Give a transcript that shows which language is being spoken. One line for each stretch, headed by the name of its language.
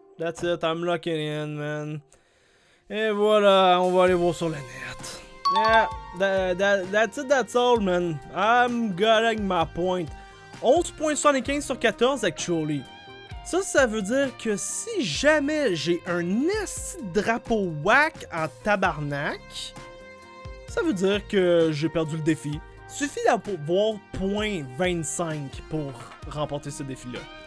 English: That's it, I'm locking in, man.
French: Et voilà, on va aller voir sur le net.
English: Yeah, that's it, that's all, man. I'm getting my point. 11.75 sur 14, actually.
French: Ça veut dire que si jamais j'ai un esti drapeau whack en tabarnak, ça veut dire que j'ai perdu le défi. Suffit d'avoir 0.25 pour remporter ce défi-là.